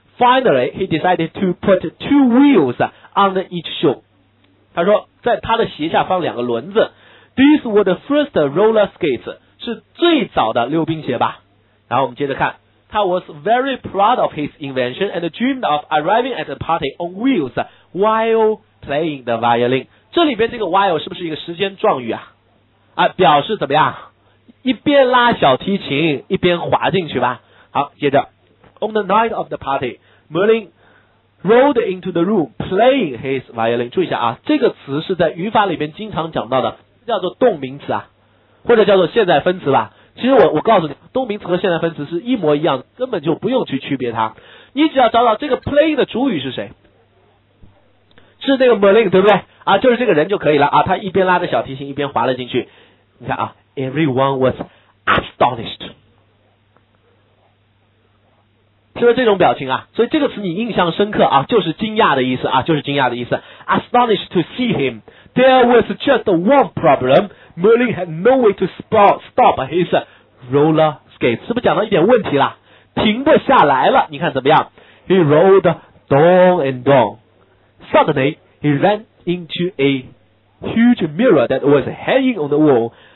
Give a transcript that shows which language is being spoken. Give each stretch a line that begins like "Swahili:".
English: Finally he decided to put two wheels on each shoe，
Chinese: 他说在他的鞋下放两个轮子。
English: These were the first roller skates，
Chinese: 是最早的溜冰鞋吧。然后我们接着看，他
English: was very proud of his invention and dreamed of arriving at the party on wheels while playing the violin。
Chinese: 这里边这个 while 是不是一个时间状语啊？啊，表示怎么样，一边拉小提琴一边滑进去吧。好，接着
English: On the night of the party， Merlin rolled into the room playing his violin。
Chinese: 注意一下啊，这个词是在语法里面经常讲到的，叫做动名词啊，或者叫做现在分词吧。其实我告诉你，动名词和现在分词是一模一样，根本就不用去区别它。你只要找到这个 playing 的主语是谁，是那个 Merlin 对不对啊，就是这个人就可以了啊。他一边拉着小提琴一边滑了进去。你看啊，
English: Everyone was astonished，
Chinese: 是不是这种表情啊？所以这个词你印象深刻啊，就是惊讶的意思啊，就是惊讶的意思。
English: Astonished to see him， there was just one problem， Merlin had no way to stop his roller skate，
Chinese: 是不是讲到一点问题啦？停不下来了。你看怎么样？
English: He rolled down and down， suddenly he ran into a huge mirror that was hanging on the wall。